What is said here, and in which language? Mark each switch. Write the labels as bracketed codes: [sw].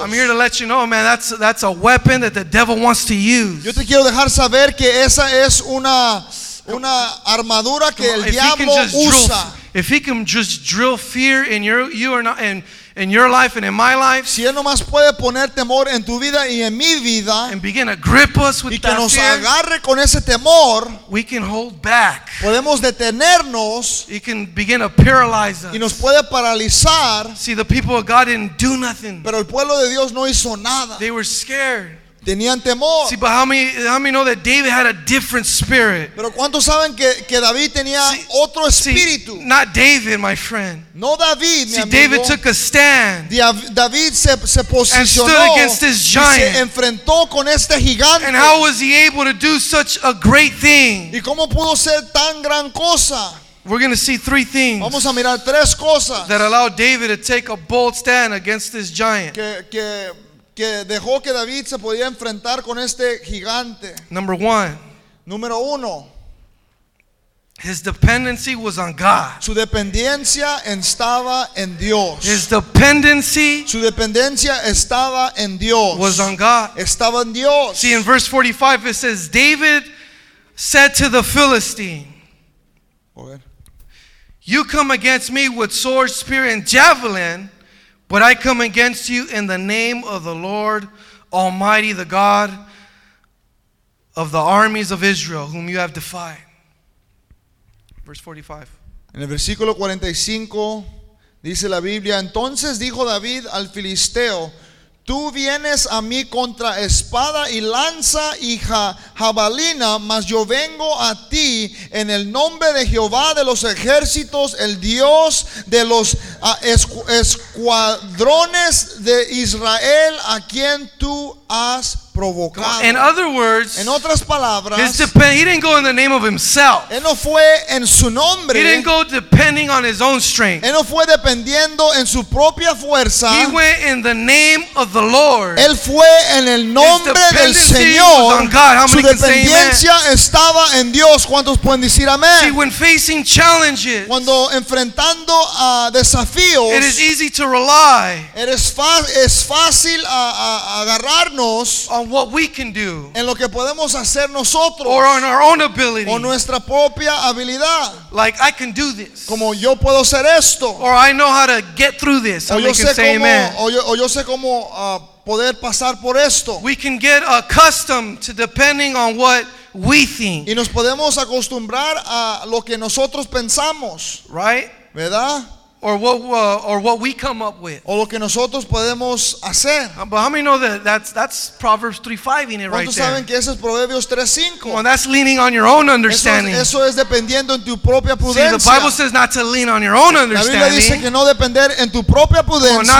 [en] I'm here to let you know, man, that's a weapon that the devil wants to use. [es] Yo te quiero dejar saber que esa es una armadura que el diablo usa. [en] If he can just drill fear in your life and in my life, [es] si él nomás puede poner temor en tu vida y en mi vida, [en] and begin to grip us with [es] y que [en] that [es] nos [en] fear, [es] agarre con ese temor, [en] we can hold back. [es] Podemos detenernos. [en] He can begin to paralyze us. [es] Y nos puede paralizar. [en] See, the people of God didn't do nothing. [es] Pero el pueblo de Dios no hizo nada. [en] They were scared. [es] Tenían temor. [en] See, but how many know that David had a different spirit? [es] Pero ¿cuántos saben que David tenía otro espíritu? [en] See, not David, my friend. [es] No David, [en] see, David took a stand. [es] David se posicionó [en] and stood against this giant. [es] Se enfrentó con este gigante. [en] And how was he able to do such a great thing? [es] ¿Y cómo pudo ser tan gran cosa? [en] We're going to see three things. [es] Vamos a mirar tres cosas [en] that allowed David to take a bold stand against this giant. [es] Que dejó que David se podía enfrentar con este gigante. [en] Number one. [es] Número uno. [en] His dependency was on God. [es] Su dependencia estaba en Dios. [en] His dependency. [es] Su dependencia estaba en Dios. [en] Was on God. [es] Estaba en Dios. [en] See, in verse 45 it says, David said to the Philistine, okay, you come against me with sword, spear, and javelin, but I come against you in the name of the Lord Almighty, the God of the armies of Israel, whom you have defied. Verse 45. [es] En el versículo 45 dice la Biblia, entonces dijo David al Filisteo, tú vienes a mí contra espada y lanza y jabalina, mas yo vengo a ti en el nombre de Jehová de los ejércitos, el Dios de los escuadrones de Israel, a quien tú has provocado. [en] In other words, [es] en otras palabras, [en] he didn't go in the name of himself. [es] Él no fue en su nombre. [en] He didn't go depending on his own strength. [es] Él no fue dependiendo en su propia fuerza. [en] He went in the name of the Lord. [es] Él fue en el nombre del Señor. [en] Was on God. How many [es] su dependencia [en] can say [es] estaba en Dios. ¿Cuántos pueden decir amén? [en] See, when facing challenges, [es] cuando enfrentando a desafíos, [en] it is easy to rely. [es] Es fácil agarrarnos [en] on what we can do, [es] en lo que podemos hacer nosotros, [en] or on our own ability, [es] o nuestra propia habilidad, [en] like I can do this, [es] como yo puedo hacer esto, [en] or I know how to get through this, [es] o yo sé cómo, [en] amen. [es] O yo sé cómo poder pasar por esto. [en] We can get accustomed to depending on what we think, [es] y nos podemos acostumbrar a lo que nosotros pensamos, [en] right? [es] ¿Verdad? [en] Or what we come up with. [es] O lo que nosotros podemos hacer. [en] But how many know that that's Proverbs 3:5 in it right there? [es] ¿Cuántos saben que ese es Proverbios 3:5? [en] Well, that's leaning on your own understanding. [es] Eso es dependiendo en tu propia prudencia. [en] See, the Bible says not to lean on your own understanding. [es] La Biblia dice que no depender en tu propia prudencia.